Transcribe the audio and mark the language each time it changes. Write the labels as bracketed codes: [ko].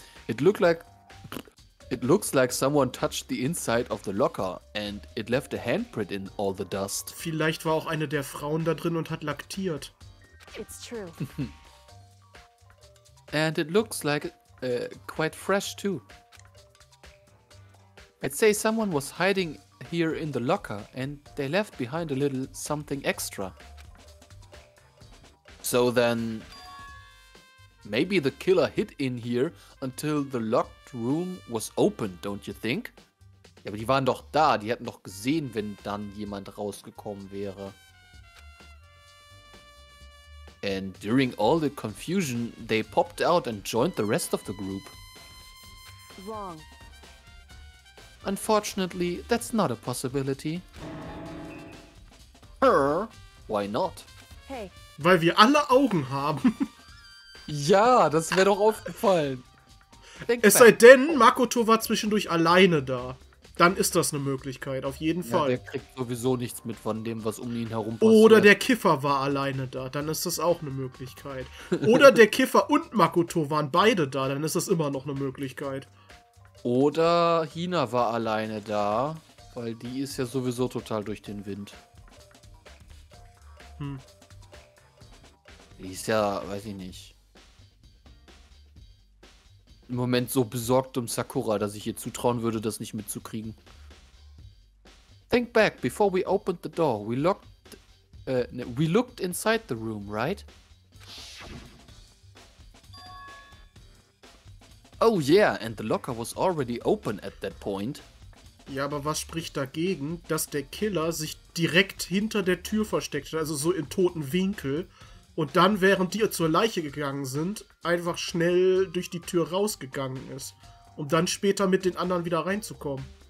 [en] It looks like someone touched the inside of the locker and it left a handprint in all the dust. [de] Vielleicht war auch eine der Frauen da drin und hat laktiert. [en] It's true. And it looks like quite fresh too. I'd say someone was hiding here in the locker and they left behind a little something extra. So then, maybe the killer hid in here until the locked room was open, don't you think? Ja, aber die waren doch da, die hätten doch gesehen, wenn dann jemand rausgekommen wäre. And during all the confusion, they popped out and joined the rest of the group. Wrong. Unfortunately, that's not a possibility. Why not? Hey. [de] Weil wir alle Augen haben. Ja, das wäre doch aufgefallen. Es sei denn, Makoto war zwischendurch alleine da. Dann ist das eine Möglichkeit, auf jeden Fall. Der kriegt sowieso nichts mit von dem, was um ihn herum passiert. Oder der Kiffer war alleine da. Dann ist das auch eine Möglichkeit. Oder der Kiffer und Makoto waren beide da. Dann ist das immer noch eine Möglichkeit. Oder Hina war alleine da. Weil die ist ja sowieso total durch den Wind. Hm. Die ist ja, weiß ich nicht, im Moment so besorgt um Sakura, dass ich ihr zutrauen würde, das nicht mitzukriegen. [en] Think back, before we opened the door, we looked inside the room, right? Oh yeah, and the locker was already open at that point. [de] Ja, aber was spricht dagegen, dass der Killer sich direkt hinter der Tür versteckt hat, also so im toten Winkel, und dann, während die zur Leiche gegangen sind, einfach schnell durch die Tür rausgegangen ist. Um dann später mit den anderen wieder reinzukommen.